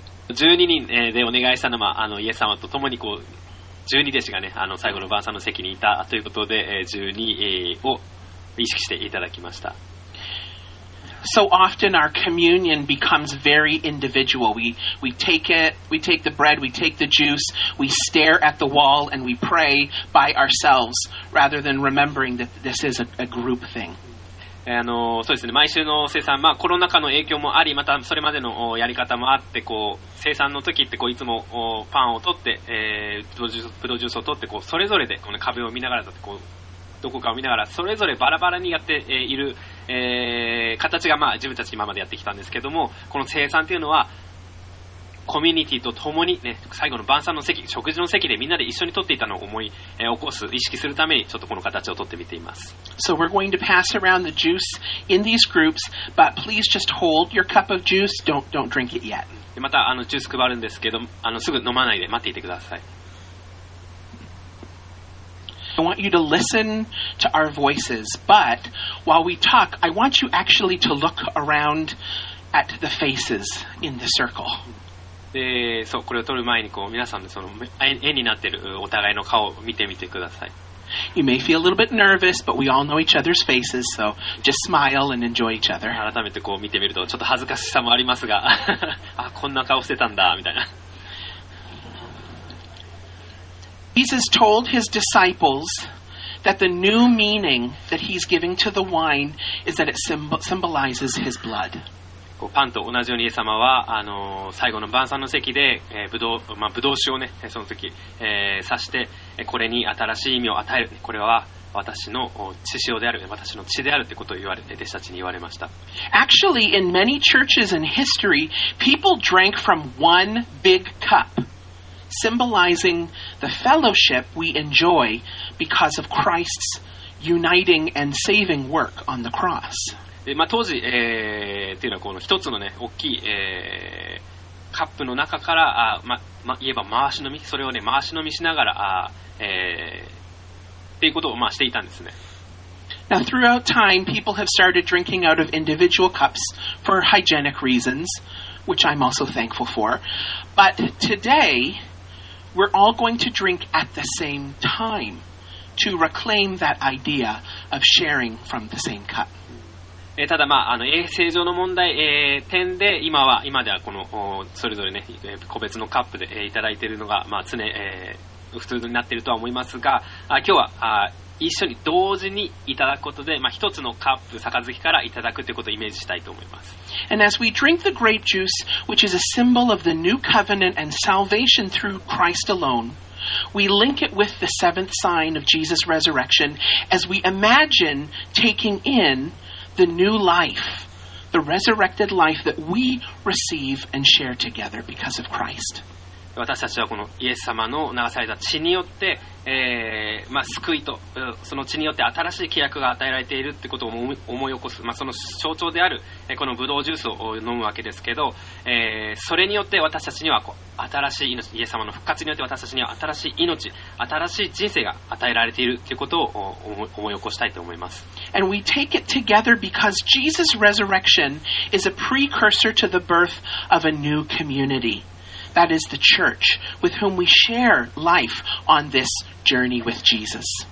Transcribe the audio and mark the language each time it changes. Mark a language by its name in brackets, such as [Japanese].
[Japanese] 12人でお願いしたのは、イエス様と共にこう12弟子がね、最後の晩餐の席にいたということで、12を意識していただきました。 [English] So often our communion becomes very individual. We take the bread, we take the juice, we stare at the wall and we pray by ourselves rather than remembering that this is a group thing. [Japanese] そうですね。毎週の聖餐、コロナ禍の影響もあり、またそれまでのやり方もあって、こう聖餐の時ってこういつもパンを取って、プロジュースを取って、こうそれぞれでこの壁を見ながらだってこう。どこかを見ながらそれぞれバラバラにやっている、形が、自分たち今までやってきたんですけども、この聖餐というのはコミュニティと共に、ね、最後の晩餐の席、食事の席でみんなで一緒に取っていたのを思い、起こす意識するためにちょっとこの形を取ってみています。 [English] So we're going to pass around the juice in these groups, but please just hold your cup of juice. Don't drink it yet. [Japanese] でまたジュース配るんですけど、すぐ飲まないで待っていてください。 [English] I want you to listen to our voices, but while we talk, I want you actually to look around at the faces in the circle. [Japanese] で、そう、これを撮る前にこう皆さんでその絵になってるお互いの顔を見てみてください。 [English] You may feel a little bit nervous, but we all know each other's faces, so just smile and enjoy each other. [Japanese] 改めてこう見てみるとちょっと恥ずかしさもありますが、あ、こんな顔してたんだみたいな。 [English] Jesus told his disciples that the new meaning that he's giving to the wine is that it symbolizes his blood. [Japanese] パンと同じようにイエス様は最後の晩餐の席で、ブドウ酒をね、その時、刺して、これに新しい意味を与える。これは私の血潮である、私の血であるということを言われて、弟子たちに言われました。 [English] Actually, in many churches in history, people drank from one big cup. Symbolizing the fellowship we enjoy because of Christ's uniting and saving work on the cross. [Japanese] 当時、というのはこの一つの、ね、大きい、カップの中から、言えば回し飲み、それを、ね、回し飲みしながら、っていうことを、していたんですね。 [English] Now, throughout time, people have started drinking out of individual cups for hygienic reasons, which I'm also thankful for. But today,We're all going to drink at the same time to reclaim that idea of sharing from the same cup. [Japanese] ただ衛生上の問題、点で今ではこのそれぞれね、個別のカップで、いただいているのが、常、普通になっているとは思いますが、今日は一緒に同時にいただくことで、まあ、一つのカップ杯からいただくということをイメージしたいと思います。 [English] And as we drink the grape juice, which is a symbol of the new covenant and salvation through Christ aloneWe link it with the seventh sign of Jesus' resurrection as we imagine taking in the new life, the resurrected life that we receive and share together because of Christ. [Japanese] 私たちはこのイエス様の流された血によって、まあ、救いと、その血によって新しい契約が与えられているってことを思い起こす、まあ、その象徴である、このブドウジュースを飲むわけですけど、それによって私たちにはこう新しい命、イエス様の復活によって私たちには新しい命、新しい人生が与えられているということを思い起こしたいと思います。 [English] And we take it together because Jesus' resurrection is a precursor to the birth of a new community. That is the church with whom we share life on this journey with Jesus.